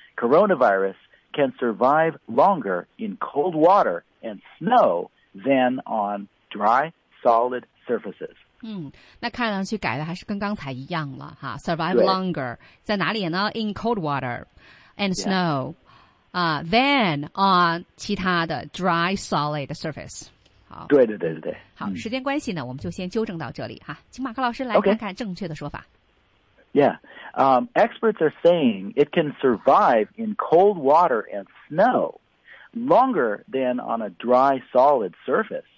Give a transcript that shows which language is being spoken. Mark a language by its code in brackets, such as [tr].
[en] Coronavirus can survive longer in cold water and snow than on dry solid surfaces。 [zh] 那看上去改的还是跟刚才一样了哈。 [en] Survive longer [zh] 在哪里呢 [en] ？In cold water and snow， 啊、than on [zh] 其他的 [en] dry solid surface。好， [zh] 对对对对对。好，时间关系呢，我们就先纠正到这里哈。请马克老师来看看正确的说法。 [en] Yeah, experts are saying it can survive in cold water and snow longer than on a dry solid surface.